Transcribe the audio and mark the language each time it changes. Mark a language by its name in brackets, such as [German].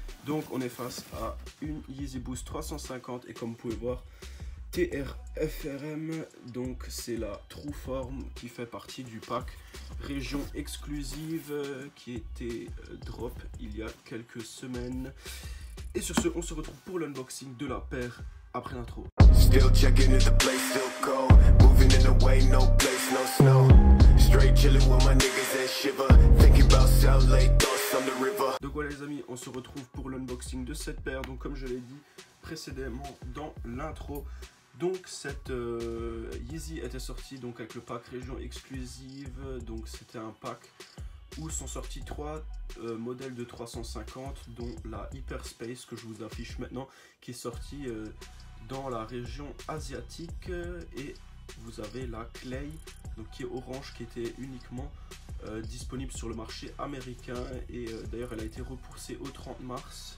[French] Donc on est face à une Yeezy Boost 350 et comme vous pouvez voir, TRFRM, donc c'est la Trueform qui fait partie du pack région exclusive qui était drop il y a quelques semaines. Et sur ce, on se retrouve pour l'unboxing de la paire après l'intro. [English] Still checking in the place, still go. Moving in the way, no place, no snow. Straight chilling with my niggas and shiver. Thinking about sound late thoughts on the river. [French] Donc voilà les amis, on se retrouve pour l'unboxing de cette paire. Donc comme je l'ai dit précédemment dans l'intro. Donc cette Yeezy était sortie donc avec le pack région exclusive, donc c'était un pack où sont sortis trois modèles de 350 dont la Hyperspace que je vous affiche maintenant qui est sortie dans la région asiatique, et vous avez la Clay donc qui est orange qui était uniquement disponible sur le marché américain, et d'ailleurs elle a été repoussée au 30 mars.